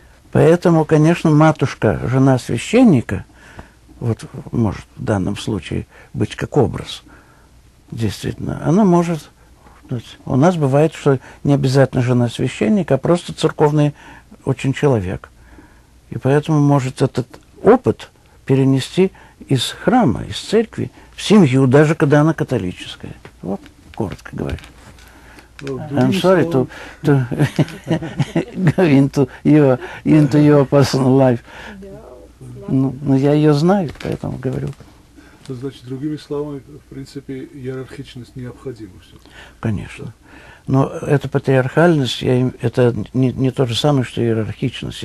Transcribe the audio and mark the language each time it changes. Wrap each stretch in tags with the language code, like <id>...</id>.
<ru>Поэтому, конечно, матушка, жена священника, вот может в данном случае быть как образ, действительно, она может... У нас бывает, что не обязательно жена священника, а просто церковный очень человек. И поэтому может этот опыт перенести из храма, из церкви в семью, даже когда она католическая. Вот, коротко говоря.</ru> <en>I'm sorry to go into your personal life.</en> <ru>Но я ее знаю, поэтому говорю. Значит, другими словами, в принципе, иерархичность необходима все. Конечно. Но эта патриархальность, это не то же самое, что иерархичность.</ru>